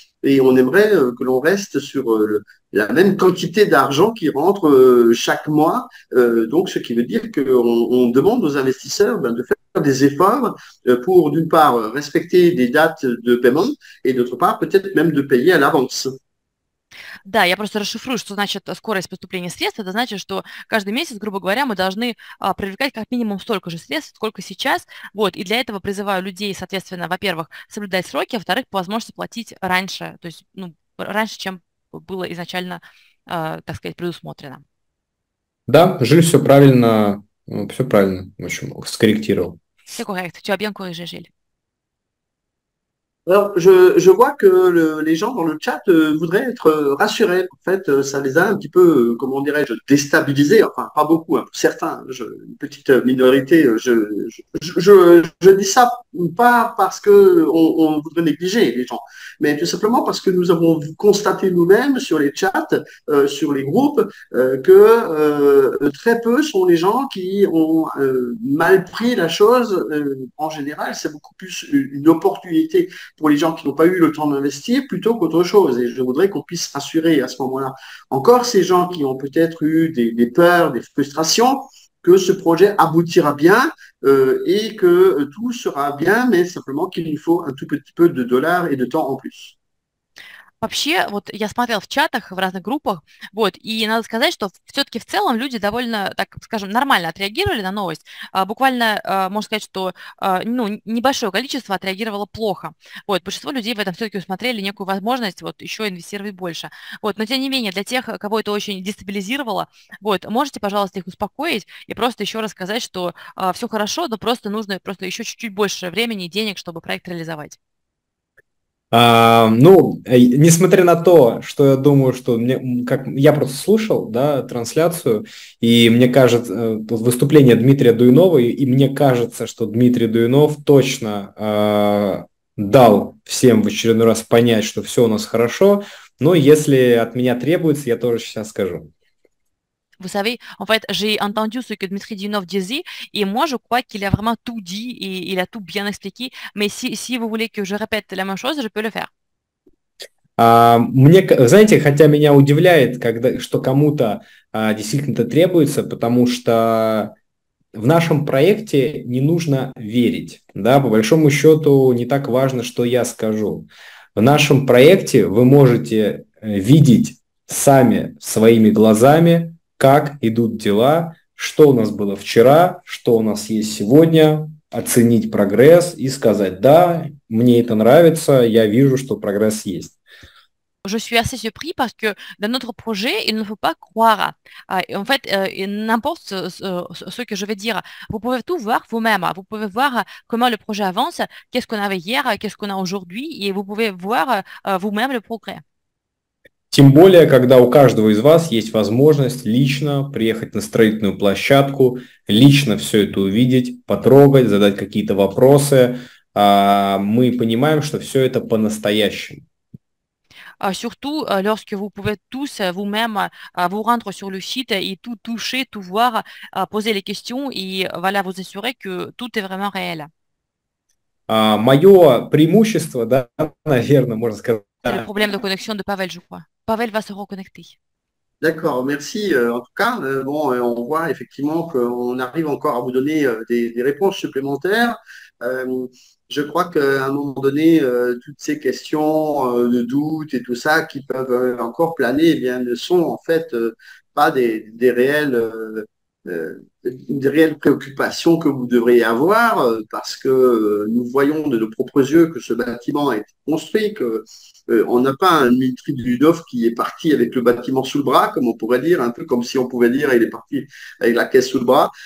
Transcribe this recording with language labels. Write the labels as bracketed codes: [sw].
[fr] Et on aimerait que l'on reste sur la même quantité d'argent qui rentre chaque mois. Donc, ce qui veut dire qu'on demande aux investisseurs ben, de faire des efforts pour, d'une part, respecter des dates de paiement et, d'autre part, peut-être même de payer à l'avance. [ru] Да, я просто расшифрую, что значит скорость поступления средств. Это значит, что каждый месяц, грубо говоря, мы должны привлекать как минимум столько же средств, сколько сейчас. Вот. И для этого призываю людей, соответственно, во-первых, соблюдать сроки, а во-вторых, по возможности платить раньше, то есть ну, раньше, чем было изначально, так сказать, предусмотрено. Да, Жиль все правильно, в общем, скорректировал. [fr] C'est correct. Tu as bien corrigé, Жиль. Alors, je vois que les gens dans le chat voudraient être rassurés. En fait, ça les a un petit peu, comment dirais-je, déstabilisés. Enfin, pas beaucoup, hein, certains, une petite minorité. Je dis ça pas parce qu'on voudrait négliger les gens, mais tout simplement parce que nous avons constaté nous-mêmes sur les chats, sur les groupes, que très peu sont les gens qui ont mal pris la chose. En général, c'est beaucoup plus une opportunité pour les gens qui n'ont pas eu le temps d'investir plutôt qu'autre chose. Et je voudrais qu'on puisse rassurer à ce moment-là encore ces gens qui ont peut-être eu des peurs, des frustrations, que ce projet aboutira bien et que tout sera bien, mais simplement qu'il nous faut un tout petit peu de dollars et de temps en plus. [ru] Вообще, вот я смотрела в чатах, в разных группах, вот, и надо сказать, что все-таки в целом люди довольно, так скажем, нормально отреагировали на новость. Буквально, можно сказать, что ну, небольшое количество отреагировало плохо. Вот, большинство людей в этом все-таки усмотрели некую возможность вот, еще инвестировать больше. Вот, но тем не менее, для тех, кого это очень дестабилизировало, вот, можете, пожалуйста, их успокоить и просто еще раз сказать, что все хорошо, но просто нужно просто еще чуть-чуть больше времени и денег, чтобы проект реализовать. Ну, несмотря на то, что я думаю, что мне, как я просто слушал, да, трансляцию, и мне кажется, выступление Дмитрия Дуйнова, и мне кажется, что Дмитрий Дуйнов точно дал всем в очередной раз понять, что все у нас хорошо, но если от меня требуется, я тоже сейчас скажу. [fr] Vous savez, en fait, j'ai entendu ce que Dmitri Dinov disait et moi, je crois qu'il a vraiment tout dit et il a tout bien expliqué. Mais si vous voulez que je répète la même chose, je peux le faire. [ru] Мне, знаете, хотя меня удивляет, когда, что кому-то действительно это требуется, потому что в нашем проекте не нужно верить. Да? По большому счету, не так важно, что я скажу. В нашем проекте вы можете видеть сами своими глазами, как идут дела, что у нас было вчера, что у нас есть сегодня, оценить прогресс и сказать, да, мне это нравится, я вижу, что прогресс есть. [fr] Je suis assez surpris parce que dans notre projet, il ne faut pas croire. En fait, n'importe ce que je vais dire, vous pouvez tout voir vous-même. Vous pouvez voir comment le projet avance, qu'est-ce qu'on avait hier, qu'est-ce qu'on a aujourd'hui, et vous pouvez voir vous-même le progrès. [ru] Тем более, когда у каждого из вас есть возможность лично приехать на строительную площадку, лично все это увидеть, потрогать, задать какие-то вопросы, мы понимаем, что все это по-настоящему. [fr] Surtout lorsque vous pouvez tous vous-même vous rendre sur le site et tout toucher, tout voir, poser les questions et voilà, vous assurer que tout est vraiment réel. [ru] Мое преимущество, да, наверное, можно сказать. [fr] C'est le problème de connexion de Pavel, je crois. Pavel va se reconnecter. D'accord, merci. En tout cas, bon, on voit effectivement qu'on arrive encore à vous donner des réponses supplémentaires. Je crois qu'à un moment donné, toutes ces questions de doute et tout ça qui peuvent encore planer, eh bien, ne sont en fait pas des réelles préoccupations que vous devriez avoir, parce que nous voyons de nos propres yeux que ce bâtiment a été construit, que on n'a pas un Dmitri Dudov qui est parti avec le bâtiment sous le bras, comme on pourrait dire, un peu comme si on pouvait dire il est parti avec la caisse sous le bras.